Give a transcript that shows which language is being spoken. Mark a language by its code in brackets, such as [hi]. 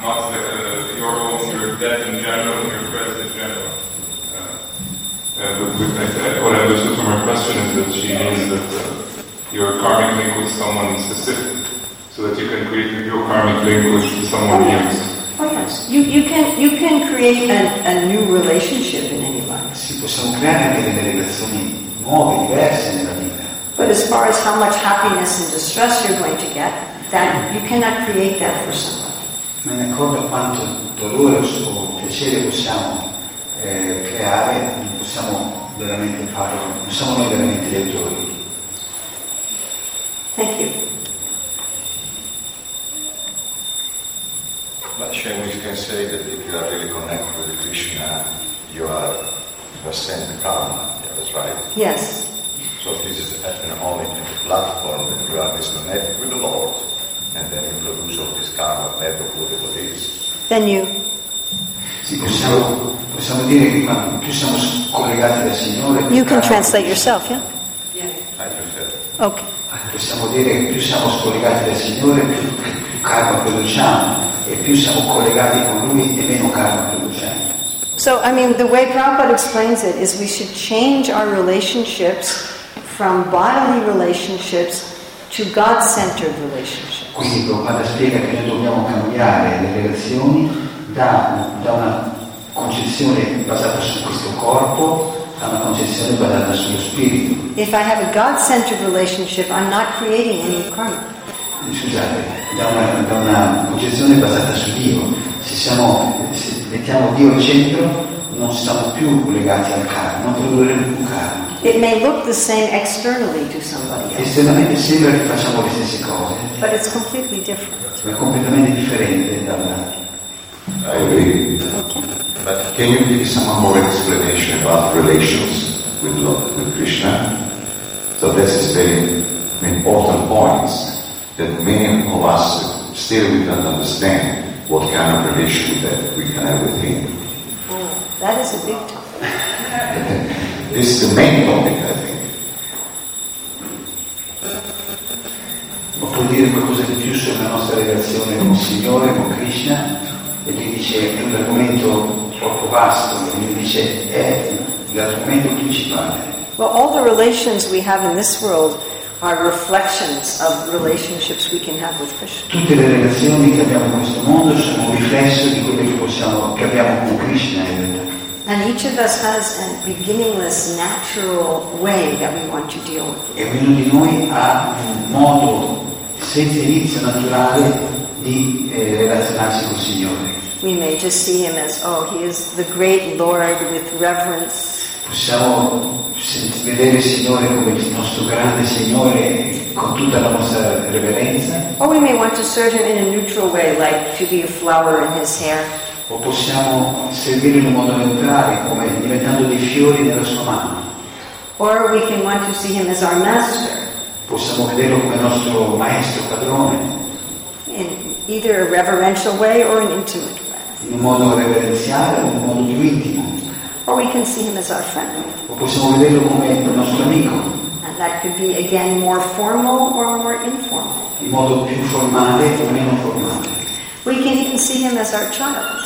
[en] Not like your own, your death in general, your present in general. What I understood from her question is that she means that your karmic link with someone is specific, so that you can create your karmic link with someone else. Oh yes, you can create a new relationship in any life. [it] Si possono creare delle relazioni nuove, diverse nella vita. [en] But as far as how much happiness and distress you're going to get, that you cannot create that for somebody. [it] Ma ne accorgo quanto dolore o piacere possiamo creare. Possiamo veramente farlo, non siamo noi veramente gli autori. [en] Thank you. But Shane, you can say that if you are really connected with Krishna, you are sent karma, that is right. Yes. So this is an only platform that you are disconnected with the Lord, and then you lose all this karma, bad or good as it is. Then you. [it] Sì, possiamo dire che più siamo collegati al Signore. [en] You can translate yourself, yeah? Yeah. Okay. [it] Possiamo dire che più siamo scollegati dal Signore, più karma produciamo, e più siamo collegati con Lui, e meno karma produciamo. [en] So, I mean, the way Prabhupada explains it is we should change our relationships from bodily relationships to God-centered relationships. [it] Quindi Prabhupada spiega che noi dobbiamo cambiare le relazioni da una concezione basata su questo corpo a una concezione basata sullo spirito. [en] If I have a God-centered relationship, I'm not creating any karma. [it] Scusate, da una concezione basata su Dio, se mettiamo Dio al centro, non siamo più legati al karma, non produrremo più karma. [en] It may look the same externally to somebody else. [it] Esternamente sembra che facciamo le stesse cose. [en] But it's completely different. [it] Ma è completamente differente dalla. [en] I agree. Okay. But can you give some more explanation about relations with Lord with Krishna? So this is very important points that many of us still we don't understand what kind of relation that we can have with Him. Oh, that is a big topic. This is the main topic, I think. [it] Ma può dire qualcosa di più sulla nostra relazione con il Signore, con Krishna? E lui dice è un argomento troppo vasto, e lui dice è l'argomento principale. [en] Well, all the relations we have in this world are reflections of relationships we can have with Krishna. [it] Tutte le relazioni che abbiamo in questo mondo sono riflesso di quelle che abbiamo con Krishna. [en] And each of us has a beginningless, natural way that we want to deal with. [it] E ognuno di noi ha un modo senza inizio naturale di relazionarsi con il Signore. [en] We may just see Him as, oh, He is the great Lord with reverence. [it] Possiamo vedere il Signore come il nostro grande Signore con tutta la nostra reverenza. [en] Or we may want to serve Him in a neutral way, like to be a flower in His hair. [it] O possiamo servire in un modo neutrale, come diventando dei fiori nella sua mano. [en] Or we can want to see Him as our master. [it] Possiamo vederlo come nostro maestro, padrone. [en] In either a reverential way or an intimate way. [it] In un modo reverenziale o in un modo più intimo. [en] Or we can see Him as our friend. [it] O possiamo vederlo come il nostro amico. [en] And that could be again more formal or more informal. [it] In modo più formale o meno formale. [en] We can even see Him as our child.